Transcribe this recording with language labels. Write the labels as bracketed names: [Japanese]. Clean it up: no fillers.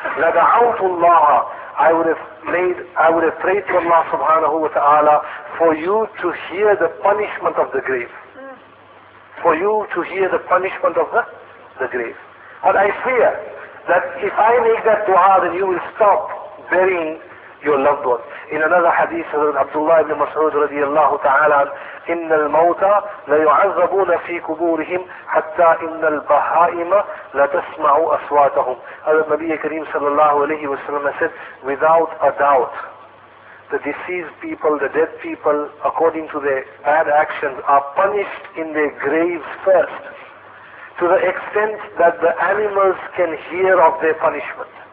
[Arabic] لدعوت الله, [English] I would have prayed to Allah subhanahu wa ta'ala for you to hear the punishment of the grave. For you to hear the punishment of the grave. But I fear that if I make that dua, then you will stop burying your loved one. In another hadith of Abdullah ibn Mas'ud radiallahu ta'ala, [Arabic] إِنَّ الْمَوْتَ لَيُعَذَّبُونَ فِي قُبُورِهِمْ حَتَّى إِنَّ الْبَحَائِمَ لَتَسْمَعُوا أَصْوَاتَهُمْ. [English] Hazrat Nabiya Kareem sallallahu alayhi wa sallam said, without a doubt, the deceased people, the dead people, according to their bad actions, are punished in their graves first, to the extent that the animals can hear of their punishment.